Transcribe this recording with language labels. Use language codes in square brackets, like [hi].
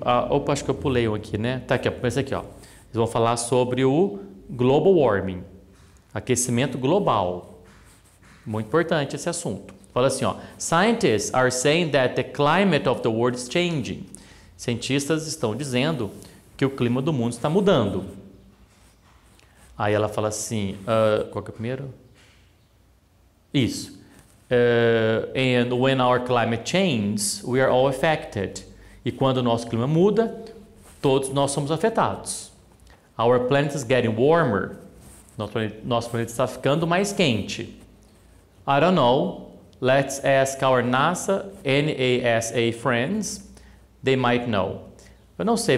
[pt] Opa, acho que eu pulei um aqui, né? Tá aqui, ó, pensa aqui, ó. Eles vão falar sobre o global warming, aquecimento global. Muito importante esse assunto. Fala assim, ó. [en] Scientists are saying that the climate of the world is changing. [pt] Cientistas estão dizendo que o clima do mundo está mudando. Aí ela fala assim, qual que é o primeiro? Isso. [en] And when our climate changes, we are all affected. [pt] E quando o nosso clima muda, todos nós somos afetados. [en] Our planet is getting warmer. [pt] Nosso planeta está ficando mais quente. [en] I don't know. Let's ask our NASA friends. They might know. [pt] Eu não sei.